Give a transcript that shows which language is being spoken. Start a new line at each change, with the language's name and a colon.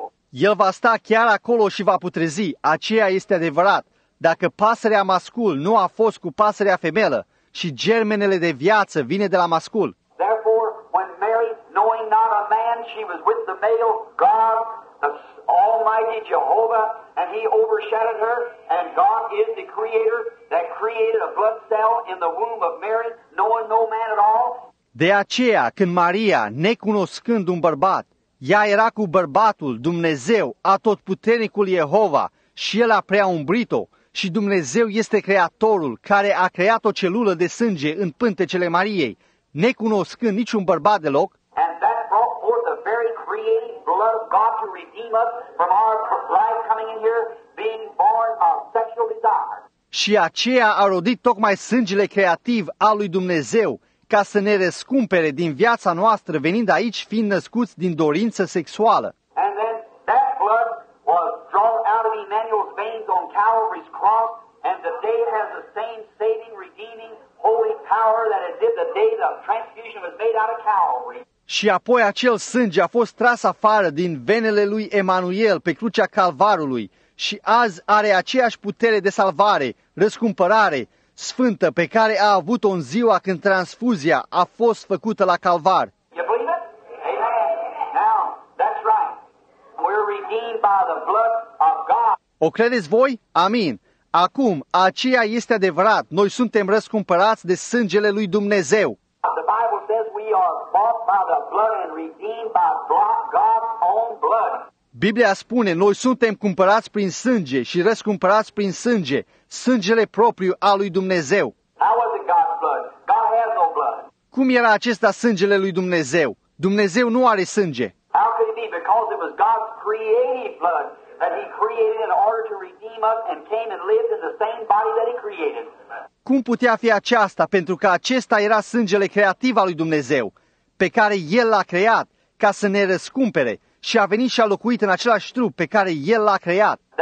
Romanian: El va sta chiar acolo și va putrezi, aceea este adevărat. Dacă pasărea mascul nu a fost cu pasărea femelă și germenele de viață vine de la mascul.
English: Therefore, when Mary, knowing not a man, she was with the male God, the Almighty Jehovah, and he overshadowed her, and God is the creator that created a blood cell in the womb of Mary, knowing no man at all.
Romanian: De aceea, când Maria, necunoscând un bărbat, ea era cu bărbatul, Dumnezeu, atotputernicul Jehova, și el a prea umbrit-o, și Dumnezeu este creatorul care a creat o celulă de sânge în pântecele Mariei, necunoscând niciun bărbat deloc.
English: And that brought forth the very creative blood of God to redeem us from our life coming in here, being born of sexual desire.
Romanian: Și aceea a rodit tocmai sângele creativ al lui Dumnezeu, ca să ne răscumpere din viața noastră venind aici fiind născuți din dorință sexuală.
English: And then that blood was drawn out of Emmanuel's veins on Calvary's cross, and the day has the same saving, redeeming, holy power that it did the day the transfusion was made out of Calvary.
Romanian: Și apoi acel sânge a fost tras afară din venele lui Emmanuel pe crucea Calvarului și azi are aceeași putere de salvare, răscumpărare, sfântă pe care a avut-o în ziua când transfuzia a fost făcută la Calvar.
English: You believe it? Amen. Now, that's right. We're redeemed by the blood of God.
Romanian: O credeți voi? Amin. Acum, aceea este adevărat. Noi suntem răscumpărați de sângele lui Dumnezeu.
English: The Bible says we are bought by the blood and redeemed by God's own blood.
Romanian: Biblia spune, noi suntem cumpărați prin sânge și răscumpărați prin sânge, sângele propriu al lui Dumnezeu.
English: How is it God's blood? God has no blood.
Romanian: Cum era acesta sângele lui Dumnezeu? Dumnezeu nu are sânge.
English: How could it be? Because it was God's creative blood that he created in order to redeem us and came and lived in the same body that he created.
Romanian: Cum putea fi aceasta? Pentru că acesta era sângele creativ al lui Dumnezeu, pe care el l-a creat ca să ne răscumpere. Și a venit și a locuit în același trup pe care el l-a creat.